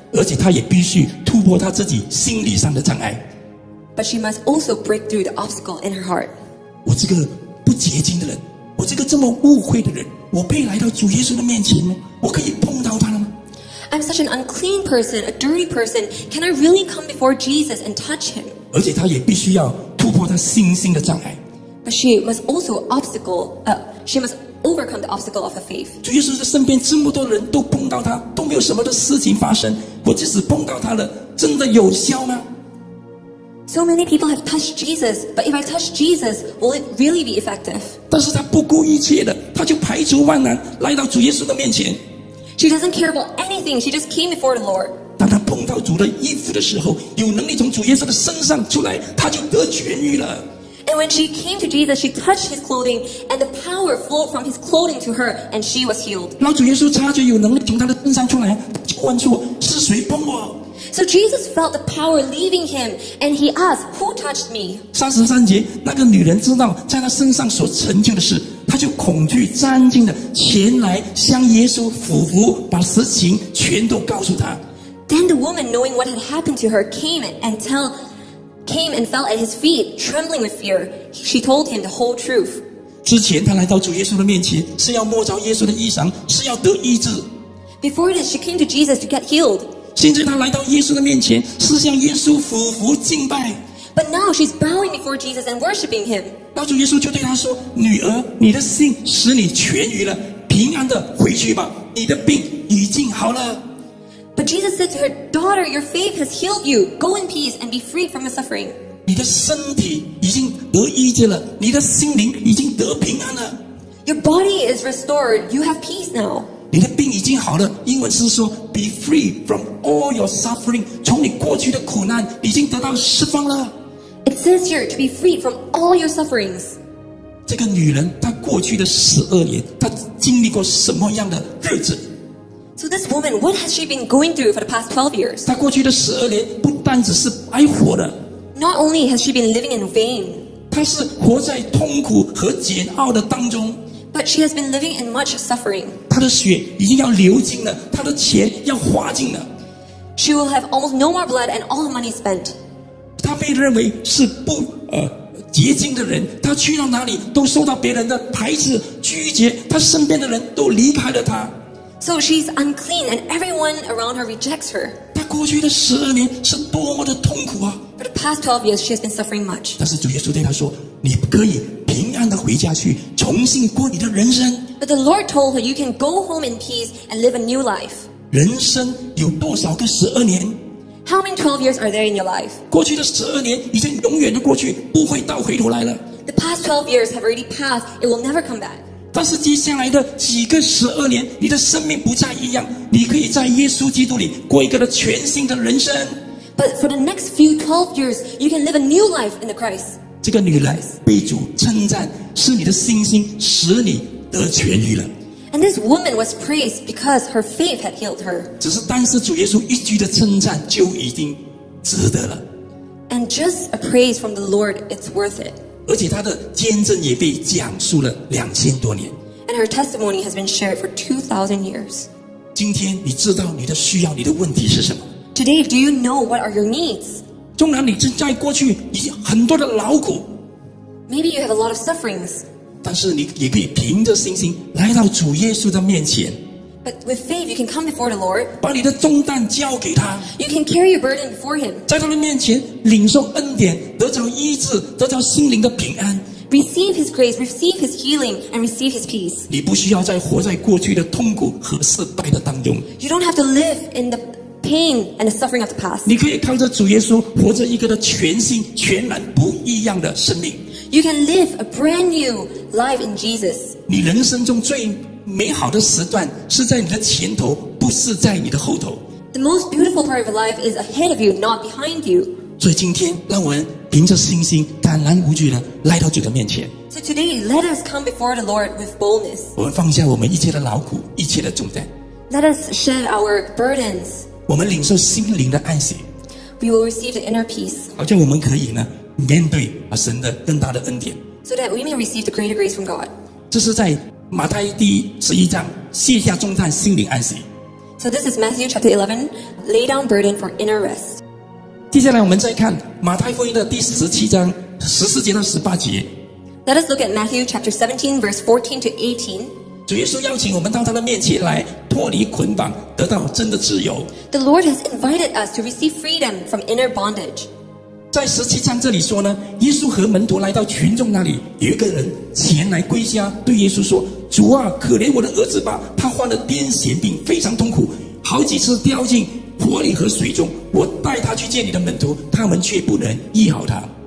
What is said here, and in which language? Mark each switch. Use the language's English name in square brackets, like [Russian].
[Chinese] 而且她也必须突破她自己心理上的障碍。 [English] But she must also break through the obstacle in her heart. [Chinese] 我这个不洁净的人，我这个这么污秽的人，我配来到主耶稣的面前吗？我可以碰到他了吗？ [English] I'm such an unclean person, a dirty person. Can I really come before Jesus and touch him? [Chinese] 而且她也必须要突破她信心的障碍。 [English] But she must also she must overcome the obstacle of her faith. [Chinese] 主耶稣在身边这么多人都碰到她，都没有什么的事情发生。我即使碰到她了，真的有效吗？ [English] So many people have touched Jesus, but if I touch Jesus, will it really be effective? [Chinese] 但是她不顾一切的，她就排除万难来到主耶稣的面前。 [English] She doesn't care about anything. She just came before the Lord. [Chinese] 当她碰到主的衣服的时候，有能力从主耶稣的身上出来，她就得痊愈了。 [English] And when she came to Jesus, she touched his clothing, and the power flowed from his clothing to her, and she was healed. [Chinese] 然后主耶稣察觉有能力从他的身上出来，就关注我，是谁碰我？ [English] So Jesus felt the power leaving him, and he asked, "Who touched me?" [Chinese] 33节，那个女人知道在她身上所成就的事，她就恐惧战惊的前来向耶稣俯伏，把实情全都告诉他。 [English] Then the woman, knowing what had happened to her, came and fell at his feet, trembling with fear. She told him the whole truth. [Chinese] 之前她来到主耶稣的面前，是要摸着耶稣的衣裳，是要得医治。 [English] Before this, she came to Jesus to get healed. [Chinese] 现在她来到耶稣的面前，是向耶稣俯伏敬拜。 [English] But now she's bowing before Jesus and worshiping him. [Chinese] 那主耶稣就对她说，女儿，你的信使你痊愈了，平安的回去吧，你的病已经好了。 [English] But Jesus said to her, "Daughter, your faith has healed you. Go in peace and be freed from the suffering." [Chinese] 你的身体已经得医治了，你的心灵已经得平安了。 [English] Your body is restored. You have peace now. [Chinese] 你的病已经好了，英文是说 [English] "be free from all your suffering." [Chinese] 从你过去的苦难已经得到释放了。 [English] It says here to be free from all your sufferings. [Chinese] 这个女人她过去的十二年，她经历过什么样的日子？ [English] So this woman, what has she been going through for the past 12 years? [Chinese] 她过去的十二年不单只是白活的。 [English] Not only has she been living in vain. [Chinese] 她是活在痛苦和煎熬的当中。 [English] But she has been living in much suffering. [Chinese] 她的血已经要流尽了，她的钱要花尽了。 [English] She will have almost no more blood and all her money spent. [Chinese] 她被认为是不洁净的人，她去到哪里都受到别人的排斥拒绝，她身边的人都离开了她。 [English] So she's unclean, and everyone around her rejects her. [Chinese] 她过去的十二年是多么的痛苦啊！ [English] For the past 12 years, she has been suffering much. [Chinese] 但是主耶稣对她说，你可以平安地回家去，重新过你的人生。 [English] But the Lord told her, you can go home in peace and live a new life. [Chinese] 人生有多少个十二年？ [English] How many 12 years are there in your life? [Chinese] 过去的十二年已经永远的过去，不会倒回头来了。 [English] The past 12 years have already passed. It will never come back. [Chinese] 但是接下来的几个十二年，你的生命不再一样，你可以在耶稣基督里过一个的全新的人生。 [English] But for the next few 12 years, you can live a new life in the Christ. [Chinese] 这个女人被主称赞，是你的信心使你得痊愈了。 [English] And this woman was praised because her faith had healed her. [Chinese] 只是单是主耶稣一句的称赞就已经值得了。 [English] And just a praise from the Lord, it's worth it. [Chinese] 而且她的见证也被讲述了2000多年。 [English] And her testimony has been shared for 2,000 years. [Chinese] 今天你知道你的需要，你的问题是什么？ [English] Today, do you know what are your needs? [Chinese] 纵然你正在过去已很多的劳苦， [English] Maybe you have a lot of sufferings. [Chinese] 但是你也可以凭着信心来到主耶稣的面前。 [English] But with faith, you can come before the Lord. [Chinese] 把你的重担交给他。 [English] You can carry your burden before him. [Chinese] 在他的面前领受恩典，得着医治，得着心灵的平安。 [English] Receive his grace, receive his healing, and receive his peace. [Chinese] 你不需要再活在过去的痛苦和失败的当中。 [English] You don't have to live in the pain and the suffering of the past. [Chinese] 你可以靠着主耶稣活着一个的全新、全然不一样的生命。 [English] You can live a brand new life in Jesus. [Chinese] 你人生中最美好的时段是在你的前头，不是在你的后头。 [English] The most beautiful part of your life is ahead of you, not behind you. [Chinese] 所以今天，让我们凭着信心，坦然无惧的来到主的面前。 [English] So today, let us come before the Lord with boldness. [Chinese] 我们放下我们一切的劳苦，一切的重担。 [English] Let us shed our burdens. [Chinese] 我们领受心灵的安息。 [English] We will receive the inner peace. [Chinese] 好像我们可以呢，面对神的更大的恩典。 [English] So that we may receive the greater grace from God. [Chinese] 这是在马太第十一章，卸下重担，心灵安息。 [English] So this is Matthew chapter 11, lay down burden for inner rest. [Chinese] 接下来我们再看马太福音的第十七章十四节到十八节。 [English] Let us look at Matthew chapter 17, verse 14 to 18. [Chinese] 主耶稣邀请我们到他的面前来，脱离捆绑，得到真的自由。 [English] The Lord has invited us to receive freedom from inner bondage. [Chinese] 在十七章这里说呢，耶稣和门徒来到群众那里，有一个人前来归家，对耶稣说，主啊，可怜我的儿子吧，他患了癫痫病，非常痛苦，好几次掉进火里和水中，我带他去见你的门徒，他们却不能医好他。